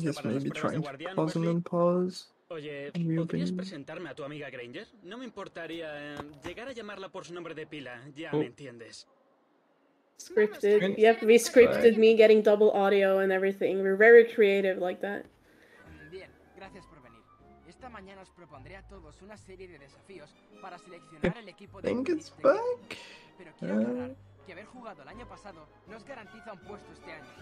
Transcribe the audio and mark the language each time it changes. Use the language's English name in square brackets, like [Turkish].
[English] Yes, maybe trying to pause and then pause. [Spanish] Oye, ¿podrías presentarme a tu amiga Granger? No me importaría llegar a llamarla por su nombre de pila, ya me entiendes. [English] Scripted. Yep, we scripted me getting double audio and everything. We're very creative like that. [Spanish] Bien, gracias por venir. Esta mañana os propondré a todos una serie de desafíos para seleccionar el equipo de Quidditch. Pero quiero aclarar que haber jugado el año pasado no os garantiza un puesto este año.